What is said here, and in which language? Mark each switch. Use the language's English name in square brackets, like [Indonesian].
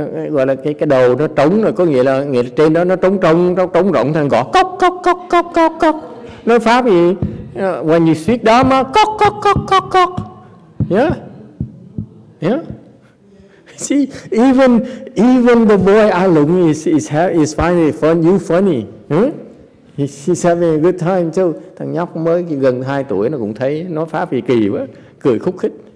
[Vietnamese] Gọi là cái đầu nó trống rồi, có nghĩa là trên đó nó trống trống trống rộng thành gõ cốc cốc cốc cốc cốc cốc, nói pháp gì [English] when you speak Dharma [Vietnamese] cốc cốc cốc cốc cốc. [English] Yeah, yeah, see, even the boy Alung is finding you funny, huh? He's having a good time too. [Vietnamese] Thằng nhóc mới gần 2 tuổi nó cũng thấy nói pháp gì kỳ quá, cười khúc khích.